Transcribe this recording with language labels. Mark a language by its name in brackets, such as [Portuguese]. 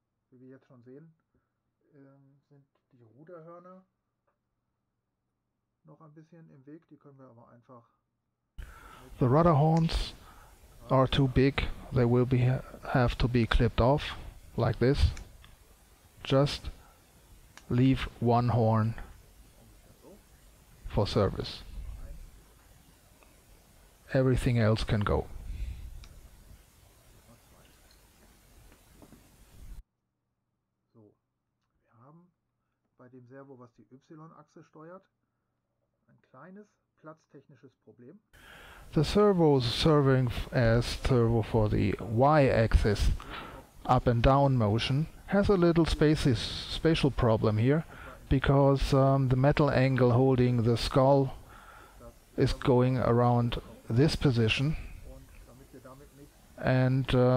[German] Wie wir jetzt schon sehen, sind die Ruderhörner noch ein bisschen im Weg, die können wir aber einfach. [English] The rudder horns are too big, they will be have to be clipped off like this. Just leave one horn for service. Everything else can go. [German] bei dem Servo, was die Y-Achse steuert. Ein kleines platztechnisches Problem. [English] The servo is serving as servo for the Y-axis up and down motion has a little spatial problem here, because the metal angle holding the skull is going around this position, and